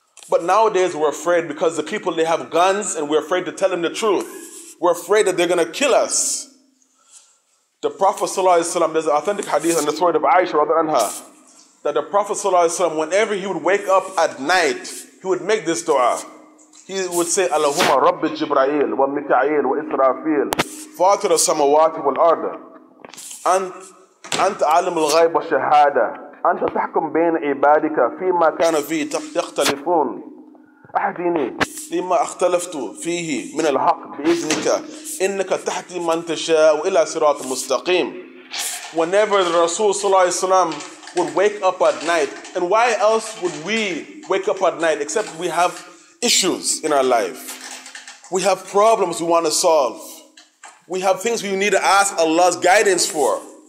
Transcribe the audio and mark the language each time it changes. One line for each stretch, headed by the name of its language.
English: But nowadays we're afraid because the people, they have guns, and we're afraid to tell them the truth. We're afraid that they're going to kill us. The Prophet sallallahu alayhi wa sallam, there's an authentic hadith in the story of Aisha radha anha, that the Prophet sallallahu alayhi wa sallam, whenever he would wake up at night, he would make this dua. He would say,
Arabic: Allahumma Rabbi Jibra'il wa Mika'il wa Israfil, Fatir al-Samawati wal-Arda, أنت عالم الغيب والشهادة أنت تحكم بين عبادك فيما كان فيه يختلفون أحديني لما اختلفت فيه من الحق بإذنك إنك تحتي من تشاء وإلى صراط مستقيم.
English: Whenever the Rasul sallallahu alayhi wa sallam would wake up at night, and why else would we wake up at night except we have issues in our life? We have problems we want to solve. We have things we need to ask Allah's guidance for.